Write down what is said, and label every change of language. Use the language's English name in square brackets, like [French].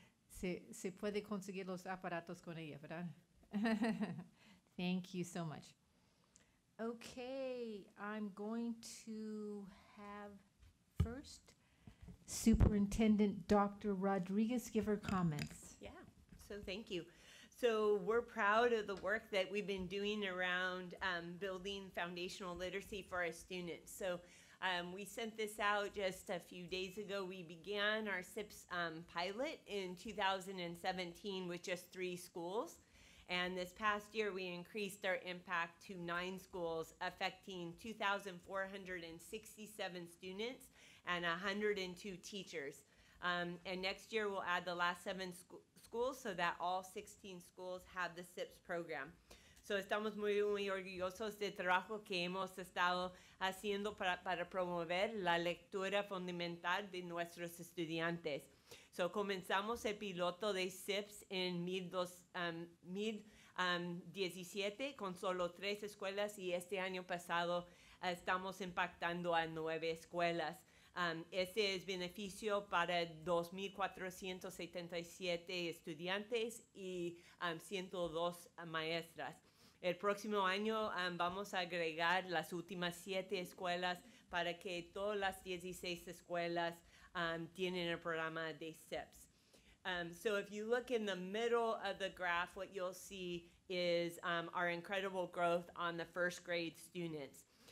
[Spanish] Se puede conseguir los aparatos con ella, ¿verdad? [English] Thank you so much. Okay, I'm going to have first Superintendent Dr. Rodriguez give her comments. Yeah, so thank you. So we're proud of the work that we've been doing around building foundational literacy for our students. So we sent this out just a few days ago. We began our SIPS pilot in 2017 with just 3 schools. And this past year, we increased our impact to 9 schools, affecting 2,467 students and 102 teachers. And next year, we'll add the last 7 schools so that all 16 schools have the SIPS program. [Spanish] So estamos muy, muy orgullosos del trabajo que hemos estado haciendo para promover la lectura fundamental de nuestros estudiantes. So comenzamos el piloto de SIPS en 2017 con solo 3 escuelas y este año pasado estamos impactando a 9 escuelas. Este es beneficio para 2,477 estudiantes y 102 maestras. El próximo año vamos a agregar las últimas 7 escuelas para que todas las 16 escuelas tienen el programa de SIPS. [English] So if you look in the middle of the graph, what you'll see is our incredible growth on the first grade students.